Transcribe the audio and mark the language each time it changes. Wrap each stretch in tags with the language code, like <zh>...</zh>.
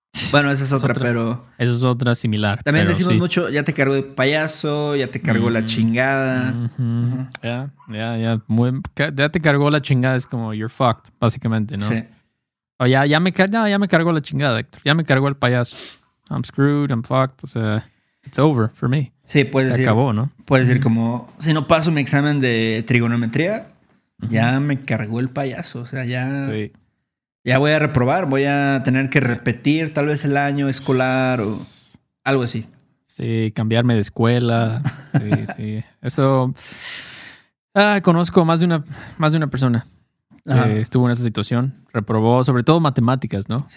<es>Bueno, esa es otra, pero... Esa es otra similar. También decimos mucho, ya te cargó el payaso, ya te cargó la chingada. Ya te cargó la chingada, es como,</es> <en>you're fucked,</en> <es>básicamente, ¿no? Sí. Oh, ya me cargó la chingada, Héctor. Ya me cargó el payaso.</es> <en>I'm screwed, I'm fucked,</en> <es>o sea...</es> <en>It's over for me.</en> <es>Sí, puedes decir... Se acabó, ¿no? Puedes decir como, si no paso mi examen de trigonometría... Ya me cargó el payaso, o sea, ya voy a reprobar, voy a tener que repetir tal vez el año escolar o algo así. Sí, cambiarme de escuela, sí. Eso, conozco más de una persona que estuvo en esa situación, reprobó sobre todo matemáticas, ¿no?</es>